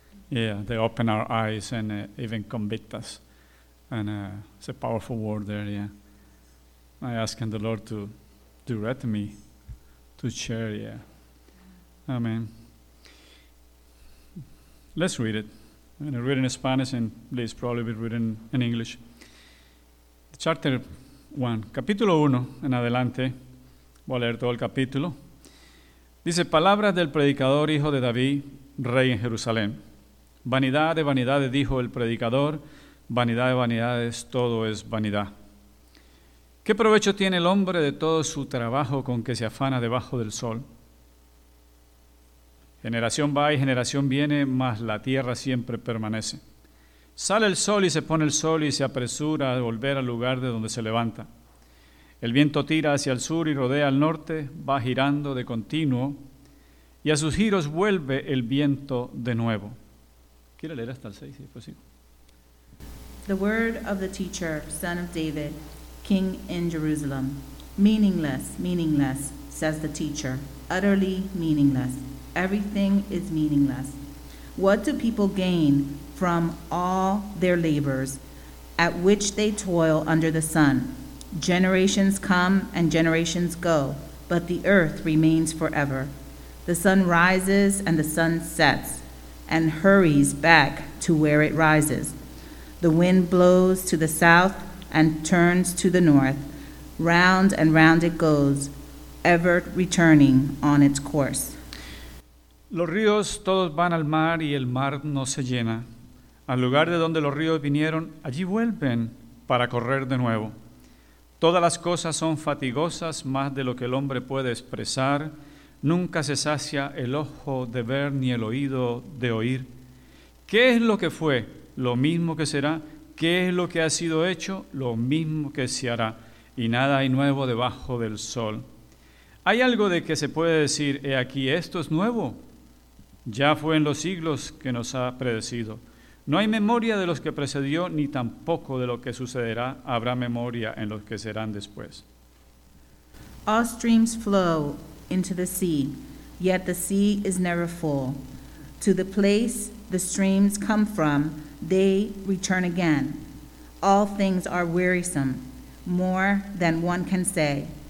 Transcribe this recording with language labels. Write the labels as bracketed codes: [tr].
[en] Yeah, they open our eyes and even convict us. And it's a powerful word there, yeah. I ask the Lord to direct me, to share, yeah. Amen. Let's read it. I'm going to read it in Spanish and please probably be written in English. Chapter 1, [es] capítulo 1 en adelante, voy a leer todo el capítulo. Dice, palabras del predicador hijo de David, rey en Jerusalén. Vanidad de vanidades, dijo el predicador, vanidad de vanidades, todo es vanidad. ¿Qué provecho tiene el hombre de todo su trabajo con que se afana debajo del sol? Generación va y generación viene, mas la tierra siempre permanece. Sale el sol y se pone el sol y se apresura a volver al lugar de donde se levanta. El viento tira hacia el sur y rodea al norte, va girando de continuo y a sus giros vuelve el viento de nuevo. ¿Quiere leer hasta el 6? Sí, pues sí. [en] The word of the teacher, son of David, king in Jerusalem. Meaningless, meaningless, says the teacher. Utterly meaningless. Everything is meaningless. What do people gain from all their labors at which they toil under the sun? Generations come and generations go, but the earth remains forever. The sun rises and the sun sets and hurries back to where it rises. The wind blows to the south and turns to the north. Round and round it goes, ever returning on its course. [es] Los ríos todos van al mar y el mar no se llena. Al lugar de donde los ríos vinieron, allí vuelven para correr de nuevo. Todas las cosas son fatigosas más de lo que el hombre puede expresar. Nunca se sacia el ojo de ver ni el oído de oír. ¿Qué es lo que fue? Lo mismo que será. ¿Qué es lo que ha sido hecho? Lo mismo que se hará. Y nada hay nuevo debajo del sol. ¿Hay algo de que se puede decir, he aquí, esto es nuevo? Ya fue en los siglos que nos ha predecido. No hay memoria de los que precedió, ni tampoco de lo que sucederá. Habrá memoria en los que serán después. [en] All streams flow into the sea, yet the sea is never full. To the place the streams come from, they return again. All things are wearisome, more than one can say.